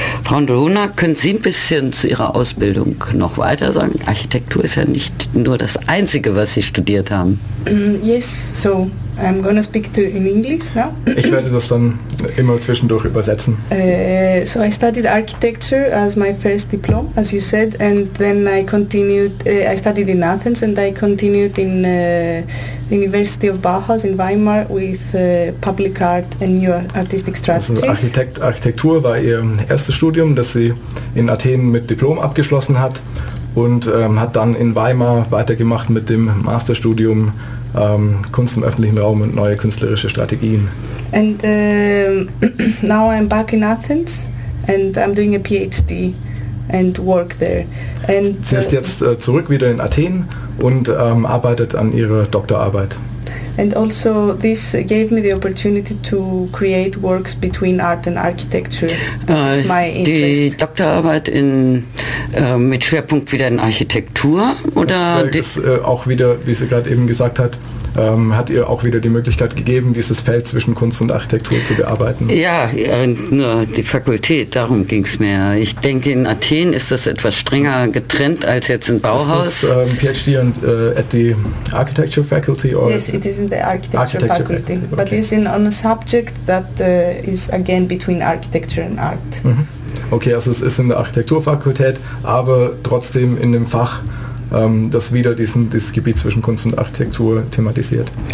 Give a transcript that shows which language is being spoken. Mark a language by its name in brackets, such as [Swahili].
[German] Frau Dona, können Sie ein bisschen zu Ihrer Ausbildung noch weiter sagen? Architektur ist ja nicht nur das Einzige, was Sie studiert haben. [English] Yes, so I'm gonna speak to in English now. [German] Ich werde das dann immer zwischendurch übersetzen. [English] So I studied architecture as my first diploma, as you said, and then I continued, I studied in Athens and I continued in the University of Bauhaus in Weimar with public art and new artistic strategies. [German] Also Architektur war ihr erstes Studium, das sie in Athen mit Diplom abgeschlossen hat und hat dann in Weimar weitergemacht mit dem Masterstudium Kunst im öffentlichen Raum und neue künstlerische Strategien. [English] And now I'm back in Athens and I'm doing a PhD and work there. [German] And sie ist jetzt zurück wieder in Athen und arbeitet an ihrer Doktorarbeit. [English] And also this gave me the opportunity to create works between art and architecture. That's my interest. [German] Die Doktorarbeit in mit Schwerpunkt wieder in Architektur oder das ist auch wieder, wie sie gerade eben gesagt hat, hat ihr auch wieder die Möglichkeit gegeben, dieses Feld zwischen Kunst und Architektur zu bearbeiten? Ja, nur die Fakultät, darum ging es mir. Ich denke, in Athen ist das etwas strenger getrennt als jetzt in Bauhaus. Ist das [English] PhD and, at the Architecture Faculty? Or yes, it is in the Architecture Faculty. Okay. But it's in on a subject that is again between architecture and art. Mhm. [German] Okay, also es ist in der Architekturfakultät, aber trotzdem in dem Fach, das wieder dieses Gebiet zwischen Kunst und Architektur thematisiert.